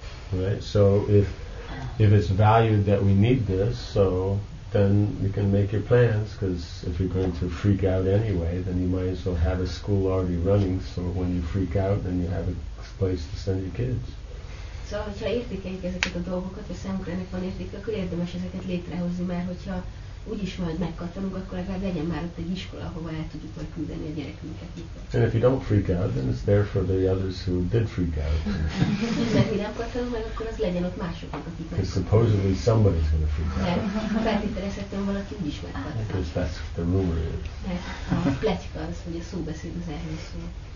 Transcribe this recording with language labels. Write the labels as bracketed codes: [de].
[en] Right, so if it's valued that we need this, so then you can make your plans, because if you're going to freak out anyway, then you might as well have a school already running, so when you freak out, then you have a place to send your kids. [hu] Szóval, hogyha értékeljük ezeket a dolgokat, a szemünkre ennek van értéke, akkor érdemes ezeket létrehozni, mert hogyha úgyis majd megkattanunk, akkor legalább legyen már ott egy iskola, ahova el tudjuk majd küldeni a gyerekünket. [en] And if you don't freak out, then it's there for the others who did freak out. [hu] Mert mi nem kattanunk meg, akkor az legyen ott másoknak, akik megkattanunk. [en] Supposedly somebody's gonna freak out. [hu] Mert feltételezhetően valaki úgyis megkattanunk. [en] Because that's what the rumor is. [hu] Mert a pletyka az, hogy a szóbeszéd az erről szól.